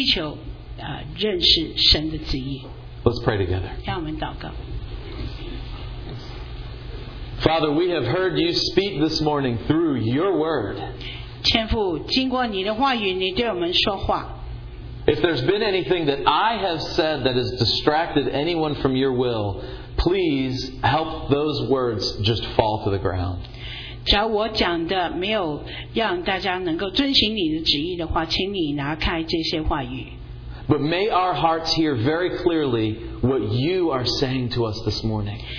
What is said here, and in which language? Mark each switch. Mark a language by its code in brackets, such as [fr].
[zh] 我们就坚定有一个心智能够来真的要追求认识神的旨意。 [en] Let's pray together. [zh] 让我们祷告。 [en] Father, we have heard you speak this morning through your word. [zh] 天父，经过你的话语，你对我们说话。 [en] If there's been anything that I have said that has distracted anyone from your will, please help those words just fall to the ground. [zh] 假如我讲的没有让大家能够遵循你的旨意的话，请你拿开这些话语。 [en] But may our hearts hear very clearly what you are saying to us this morning.